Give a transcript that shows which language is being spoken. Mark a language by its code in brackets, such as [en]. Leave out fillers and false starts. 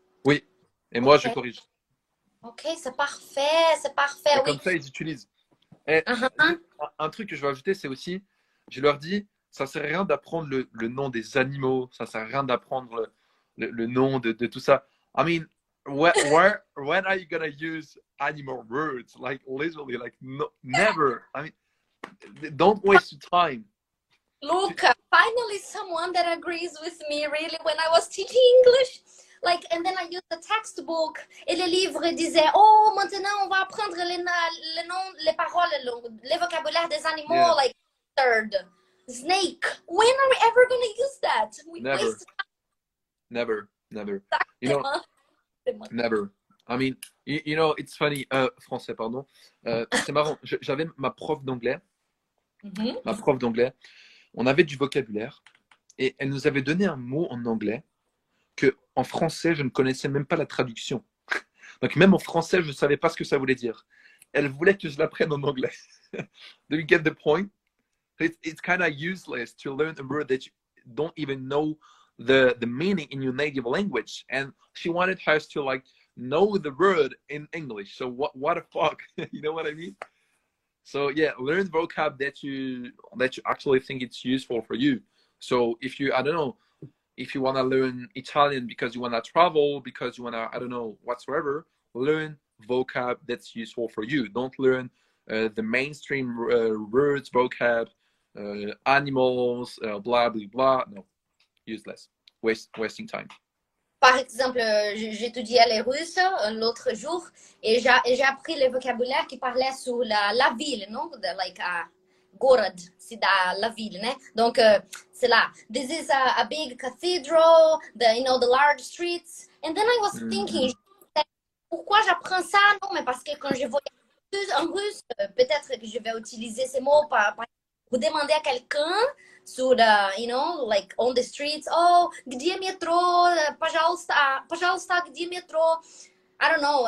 [fr] Oui, et moi, okay. Je corrige. Ok, c'est parfait, et oui. Comme ça, ils utilisent. Et un truc que je veux ajouter, c'est aussi, je leur dis, ça sert à rien d'apprendre le nom des animaux, ça sert à rien d'apprendre le nom de tout ça. [en] I mean, when are you gonna use animal words? Like, literally, like, no, never. I mean, don't waste your time. Luca, finally someone that agrees with me, really, when I was teaching English. Like, and then I used the textbook, [fr] et le livre disait, oh, maintenant on va apprendre les noms, les paroles, le vocabulaire des animaux, yeah. [en] Like, third. Snake. When are we ever gonna use that? Never. You know, never. I mean, you know, it's funny. [fr] Français, pardon. C'est marrant. J'avais ma prof d'anglais. Mm-hmm. Ma prof d'anglais. On avait du vocabulaire et elle nous avait donné un mot en anglais que en français je ne connaissais même pas la traduction. Donc même en français je ne savais pas ce que ça voulait dire. Elle voulait que je l'apprenne en anglais. [en] Do you get the point? It's kind of useless to learn a word that you don't even know the meaning in your native language. And she wanted us to like know the word in English. So what the fuck? You know what I mean? So yeah, learn vocab that you actually think it's useful for you. So if you, I don't know, if you want to learn Italian because you want to travel, because you want to, I don't know, whatsoever, learn vocab that's useful for you. Don't learn the mainstream words, vocab. Animals, blah blah blah, no, useless, wasting time. [fr] Par exemple, j'étudiais les Russes l'autre jour et j'ai appris le vocabulaire qui parlait sur la ville, non? The, like a город, c'est la ville, né? Donc, c'est là. [en] This is a big cathedral, the, you know, the large streets. And then I was thinking, [fr] pourquoi j'apprends ça? Non, mais parce que quand je voyage en russe, peut-être que je vais utiliser ces mots par vous demandez à quelqu'un sur la, [en] you know, like on the streets, [fr] oh, [ru] где метро, пожалуйста, где метро? [en] I don't know.